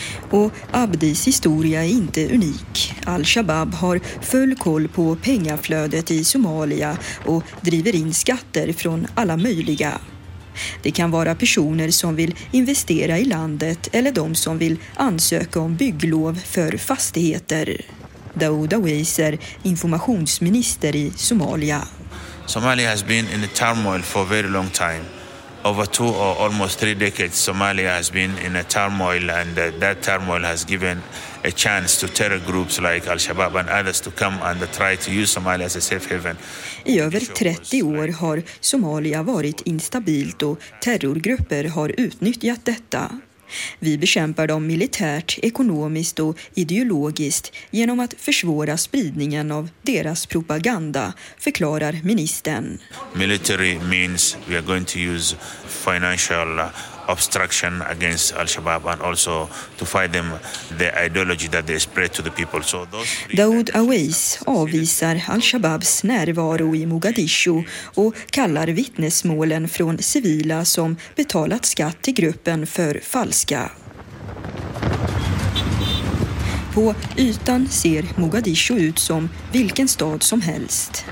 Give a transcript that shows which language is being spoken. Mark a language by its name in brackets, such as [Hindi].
[Swedish] Och Abdis historia är inte unik. Al-Shabaab har full koll på pengaflödet i Somalia och driver in skatter från alla möjliga. Det kan vara personer som vill investera i landet eller de som vill ansöka om bygglov för fastigheter. Daoud Aways är informationsminister i Somalia. [English] Somalia has been in a turmoil for a very long time. Over two or almost three decades, Somalia has been in a turmoil, and that turmoil has given a chance to terror groups like Al-Shabaab and others to come and try to use Somalia as a safe haven. [Swedish] I över 30 år har Somalia varit instabilt och terrorgrupper har utnyttjat detta. Vi bekämpar dem militärt, ekonomiskt och ideologiskt genom att försvåra spridningen av deras propaganda, förklarar ministern. [English] Military means we are going to use financial obstruction against Al-Shabaab and also to fight them the ideology that they spread to the people. So [Swedish] Daoud Aways avvisar Al-Shabaabs närvaro i Mogadishu och kallar vittnesmålen från civila som betalat skatt till gruppen för falska. på ytan ser Mogadishu ut som vilken stad som helst.